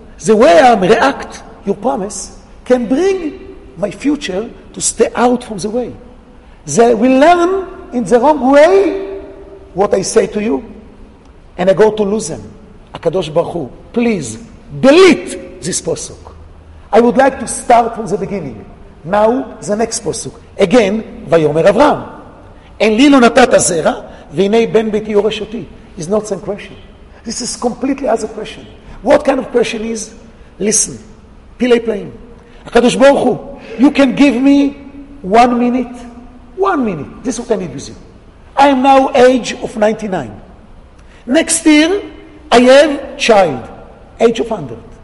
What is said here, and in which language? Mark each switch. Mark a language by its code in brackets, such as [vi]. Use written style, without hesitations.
[en] The way I react, your promise, can bring my future to stay out from the way. They will learn in the wrong way what I say to you. And I go to lose them. A Kadosh Baruch Hu, please, delete this posuk. I would like to start from the beginning. Now, the next posuk. Again, Vayomer Avraham. [he] אין לי לא נתת זרע, והנה בן ביתי יורש אותי. [en] It's not the same question. This is completely other question. What kind of question is? Listen. [he] פילי פלאים. [en] הקדוש ברוך הוא, you can give me one minute. One minute. This is what I need with you. I am now age of 99. Next year, I have child. Age of 100.